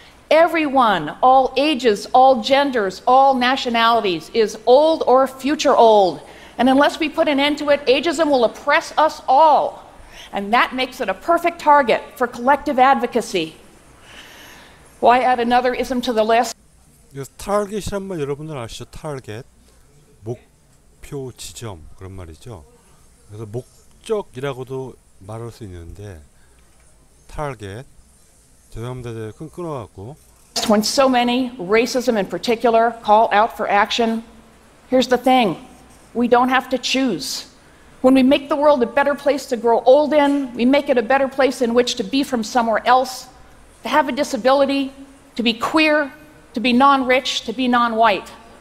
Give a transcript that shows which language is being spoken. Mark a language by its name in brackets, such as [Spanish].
[English] Everyone, all ages, all genders, all nationalities, is old or future old. And unless we put an end to it, ageism will oppress us all. And that makes it a perfect target for collective advocacy. Why add another ism to the list? [Korean] 타겟이란 말 여러분들 아시죠? 타겟, 목표 지점 그런 말이죠. 그래서 목적이라고도 말할 수 있는데 타겟. 죄송합니다. 끊어갖고. [English] When so many, racism in particular, call out for action, here's the thing. We don't have to choose. When we make the world a better place to grow old in, we make it a better place in which to be from somewhere else, to have a disability, to be queer, to be non-rich, to be non-white.